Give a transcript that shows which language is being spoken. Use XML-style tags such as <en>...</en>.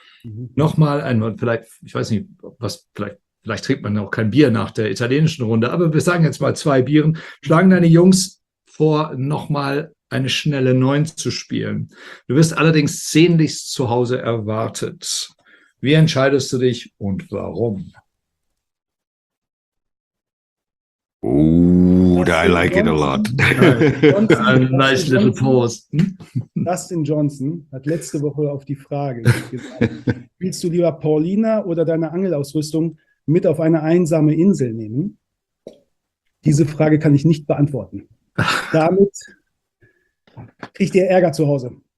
<de>Nochmal einmal, vielleicht, ich weiß nicht, was, vielleicht trinkt man auch kein Bier nach der italienischen Runde, aber wir sagen jetzt mal 2 Bieren. Schlagen deine Jungs vor, nochmal eine schnelle 9 zu spielen. Du wirst allerdings sehnlichst zu Hause erwartet. Wie entscheidest du dich und warum?</de> <en>Oh, I like Johnson. It a lot. Johnson, a nice little pause.</en> <de>Dustin Johnson hat letzte Woche auf die Frage gesagt, willst du lieber Paulina oder deine Angelausrüstung mit auf eine einsame Insel nehmen? Diese Frage kann ich nicht beantworten. Damit kriegt ihr Ärger zu Hause.</de>